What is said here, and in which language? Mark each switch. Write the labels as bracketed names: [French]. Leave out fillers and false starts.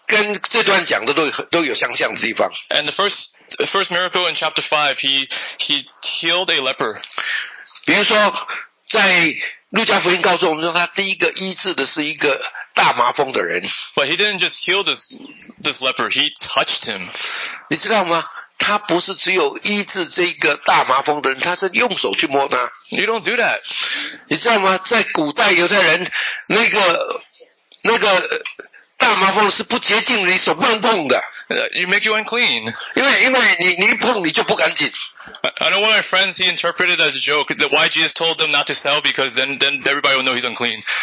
[Chinese] 甚至有一些话语或者神迹奇事呢，跟这段讲的都有相像的地方。And [English] the first miracle in chapter 5, he healed a leper. [Chinese] 比如说在 路加福音告诉我们说，他第一个医治的是一个大麻风的人。But [English] he didn't just heal this leper, he touched him. [Chinese] 你知道吗？他不是只有医治这个大麻风的人，他是用手去摸他。You [English] don't do that. [Chinese] 你知道吗？在古代犹太人，那个大麻风是不洁净的，你手不能碰的。You [English] make you unclean. [Chinese] 因为你一碰你就不干净。 [English] I know one of my friends, he interpreted it as a joke, that why Jesus told them not to sell, because then everybody will know he's unclean.